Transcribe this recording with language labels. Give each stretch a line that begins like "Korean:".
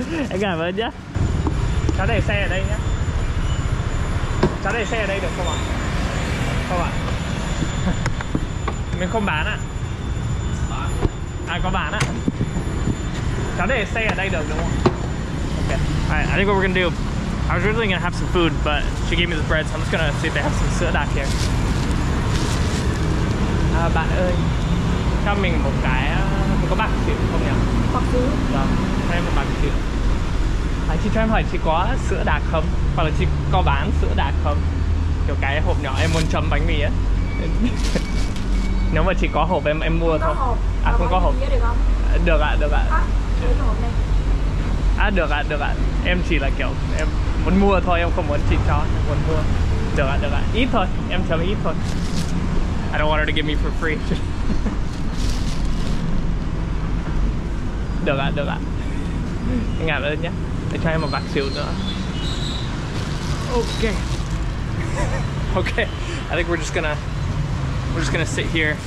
Vietnamese: Em cảm ơn nhé. Cháu để xe ở đây nhé. Cháu để xe ở đây được không ạ? Không ạ. Mình không bán ạ. À có bạn á. Cháu để xe ở đây được đúng không?
English: Okay. Alright, I think what we're gonna do. I was originally gonna have some food, but she gave me this bread, so I'm just gonna see if they have some sữa đặc here.
Vietnamese: À, bạn ơi, cho mình một cái, có bạc xỉu không nhỉ? Bạc xỉu? Vâng, cho em một bạc xỉu. À, chị cho em hỏi chị có sữa đặc không? Hoặc là chị có bán sữa đặc không? Kiểu cái hộp nhỏ em muốn chấm bánh mì á. Nếu mà chị có hộp em mua không thôi. Có hộp. À, không có hộp. Không? Được ạ, được ạ. À, cái hộp này. À được ạ, à, được ạ. À. Em chỉ là kiểu em muốn mua thôi, em không muốn chị cho, em muốn mua. Được ạ, à, được ạ. À. Ít thôi, em chấm ít thôi.
English: I don't want her to give me for free.
Vietnamese: Được ạ, à, được ạ. À. Cảm ơn nhé. Để cho em một bạc xỉu nữa.
English: Ok. Ok. I think we're just gonna sit here.